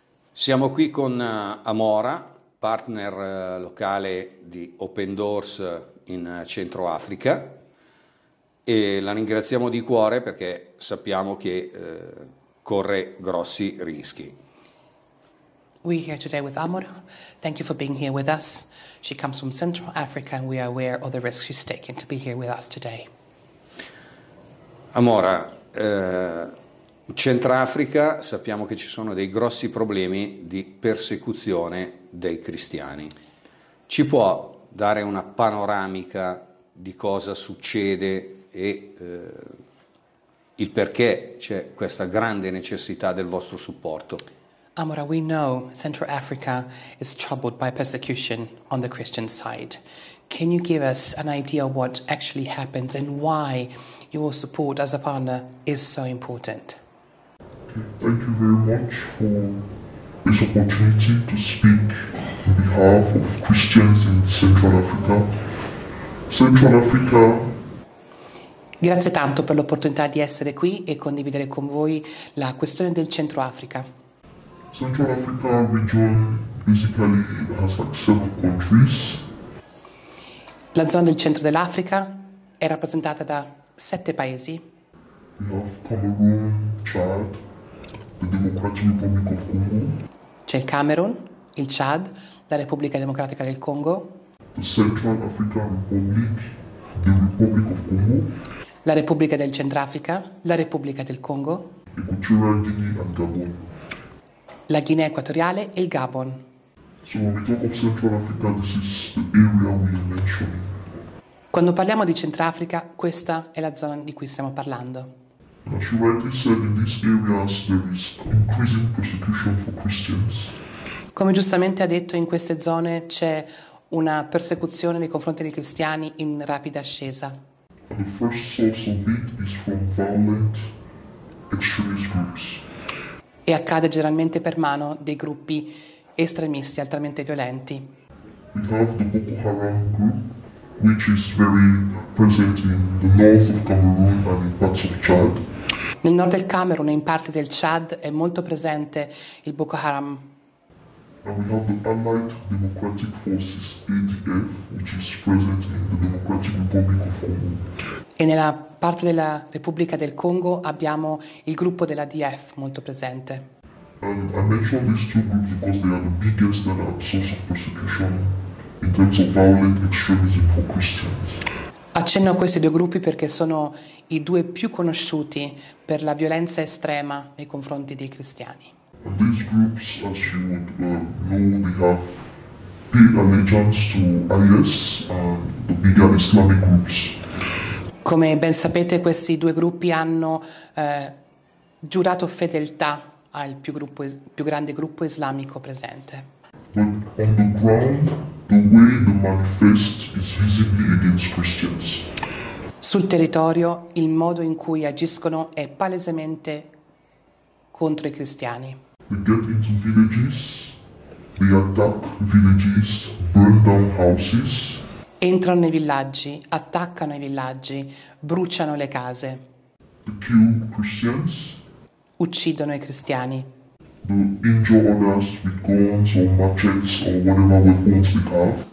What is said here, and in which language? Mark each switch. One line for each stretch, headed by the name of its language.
Italian: Siamo qui con Amora, partner locale di Open Doors in Centro Africa, e la ringraziamo di cuore perché sappiamo che corre grossi rischi.
English: We're here today with Amora. Thank you for being here with us. She comes from Central Africa and we are aware of the risks she's taken to be here with us today.
Italian: Amora, in Centrafrica sappiamo che ci sono dei grossi problemi di persecuzione dei cristiani. Ci può dare una panoramica di cosa succede e il perché c'è questa grande necessità del vostro supporto?
English: Amora, we know Central Africa is troubled by persecution on the Christian side. Can you give us an idea of what actually happens and why your support as a partner is so important? Thank you very much for this opportunity to speak on behalf of Christians in Central Africa. Central Africa.
Italian: Grazie tanto per l'opportunità di essere qui e condividere con voi la questione del Centro Africa.
English: Central Africa region basically has like several countries.
Italian: La zona del centro dell'Africa è rappresentata da sette paesi.
English: We have Cameroon, Chad, the Democratic Republic of Congo,
Italian: C'è il Camerun, il Chad, la Repubblica Democratica del Congo,
English: the Central African Republic, the Republic of Congo,
Italian: la Repubblica del Centrafrica, la Repubblica del Congo,
English: Equatorial Guinea and Gabon.
Italian: la Guinea Equatoriale e il Gabon.
English: So when we talk of Central Africa, this is the area we are mentioning.
Italian: Quando parliamo di Centrafrica, questa è la zona di cui stiamo parlando.
English: As you rightly said, in these areas there is increasing persecution for Christians.
Italian: Come giustamente ha detto, in queste zone c'è una persecuzione nei confronti dei cristiani in rapida ascesa.
English: And the first source of it is from violent extremist groups.
Italian: E accade generalmente per mano dei gruppi estremisti, altrimenti violenti.
English: We have the Boko Haram group, which is very present in the north of Cameroon and in parts of Chad.
Italian: Nel nord del Camerun e in parte del Chad è molto presente il Boko Haram.
English: And we have the Allied Democratic Forces, ADF, which is present in the Democratic Republic of Congo.
Italian: E nella parte della Repubblica del Congo abbiamo il gruppo dell'ADF molto presente.
English: And I mention these two groups because they are the biggest and are source of persecution in terms of violent extremism for Christians.
Italian: Accenno a questi due gruppi perché sono i due più conosciuti per la violenza estrema nei confronti dei cristiani.
English: And these groups, as you would know, they have paid allegiance to IS and the bigger Islamic groups.
Italian: Come ben sapete, questi due gruppi hanno giurato fedeltà al più grande gruppo islamico presente.
English: But on the ground, the way the manifest is visibly against Christians.
Italian: Sul territorio, il modo in cui agiscono è palesemente contro i cristiani.
English: They get into villages, they attack villages, burn down houses.
Italian: Entrano nei villaggi, attaccano i villaggi, bruciano le case,
English: They kill Christians.
Italian: uccidono i cristiani.
English: Injure others with guns or machetes or whatever weapons they have.